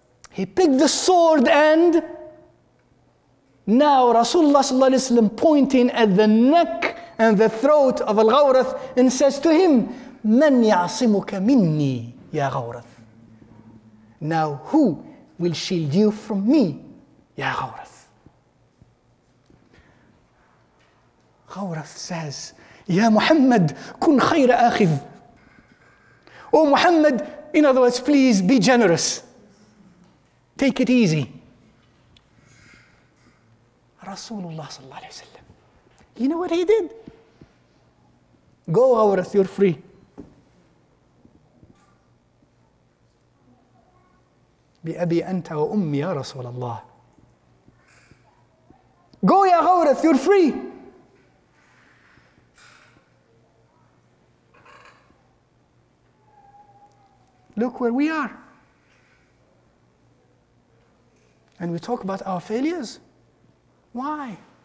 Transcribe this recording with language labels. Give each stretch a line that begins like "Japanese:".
English: He picked the sword and now Rasulullah sallallahu alayhi wa sallam pointing at the neck and the throat of Al-Ghawrath and says to him,
Arabic: مَنْ يَعْصِمُكَ مِنِّي يَا غَوْرَثْ.
English: Now who will shield you from me, يَا غَوْرَثْ. Ghawrath says,
Arabic: يَا مُحَمَّدْ كُنْ خَيْرَ آخِذْ.
English: Oh Muhammad, in other words, please be generous. Take it easy. Rasulullah sallallahu alayhi wa sallam. You know what he did? Go, Ghawrath, you're free.
Arabic: بأبي أنت وأمي يا رسول الله.
English: Go, يا غورث, you're free. Look where we are. And we talk about our failures. Why?